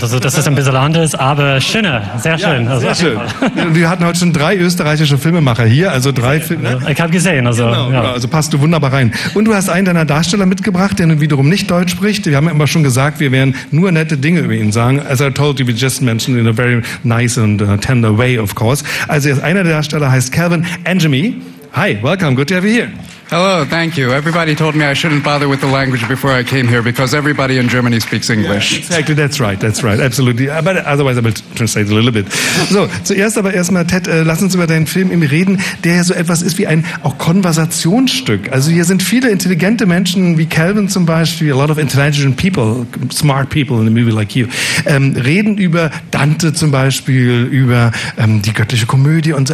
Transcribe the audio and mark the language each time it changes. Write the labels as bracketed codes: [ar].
[de] Also das ist ein bisschen anders, aber schöner. Sehr schön. Ja, sehr also, schön. Wir hatten heute schon drei österreichische Filmemacher hier. Also drei Filme. Ich habe gesehen. Also, genau, ja. Also passt du wunderbar rein. Und du hast einen deiner Darsteller mitgebracht, der wiederum nicht Deutsch spricht. Wir haben ja immer schon gesagt, wir werden nur nette Dinge über ihn sagen. [en] As I told you, we just mentioned in a very nice and tender way, of course. [de] Also einer der Darsteller heißt Calvin Angemi. [en] Hi, welcome. Good to have you here. Hello, thank you. Everybody told me I shouldn't bother with the language before I came here because everybody in Germany speaks English. Yeah, exactly, that's right, absolutely. But otherwise I will translate a little bit. [de] So, zuerst aber erstmal, Ted, lass uns über deinen Film eben reden, der ja so etwas ist wie ein auch Konversationsstück. Also hier sind viele intelligente Menschen, wie Calvin zum Beispiel, [en] a lot of intelligent people, smart people in a movie like you, [de] reden über Dante zum Beispiel, über die göttliche Komödie und so.